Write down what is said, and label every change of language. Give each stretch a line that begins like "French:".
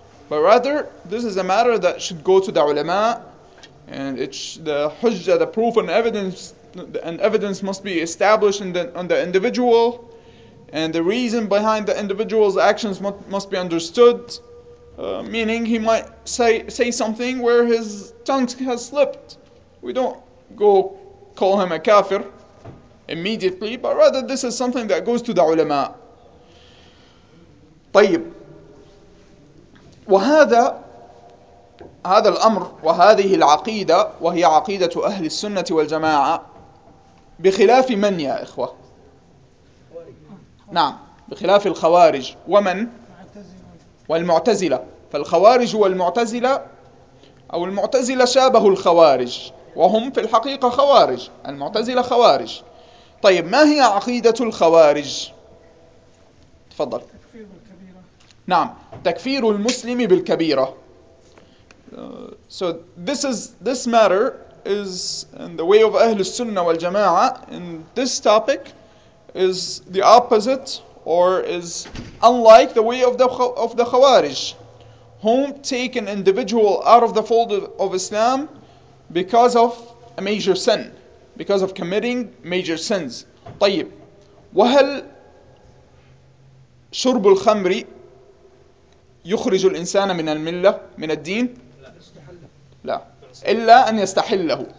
English: But rather, this is a matter that should go to the ulama, and the hujjah, the proof and evidence must be established on the individual, and the reason behind the individual's actions must be understood, meaning he might say something where his tongue has slipped. We don't go call him a kafir immediately, but rather this is something that goes to the ulama.
Arabic: طيب, وهذا هذا الأمر وهذه العقيدة وهي عقيدة أهل السنة والجماعة بخلاف من يا إخوة؟ نعم, بخلاف الخوارج ومن؟ والمعتزلة. فالخوارج والمعتزلة أو المعتزلة شابه الخوارج, وهم في الحقيقة خوارج, المعتزلة خوارج. طيب, ما هي عقيدة الخوارج؟ تفضل. نعم, تكفير المسلم بالكبيرة.
English: So this matter is in the way of Ahlus Sunnah wal Jama'ah, and this topic is the opposite or is unlike the way of the Khawarij, whom take an individual out of the fold of Islam because of a major sin, because of committing major sins.
Arabic: طيب, وهل شرب الخمر يخرج الإنسان من الملة من الدين؟ لا, إلا أن يستحله.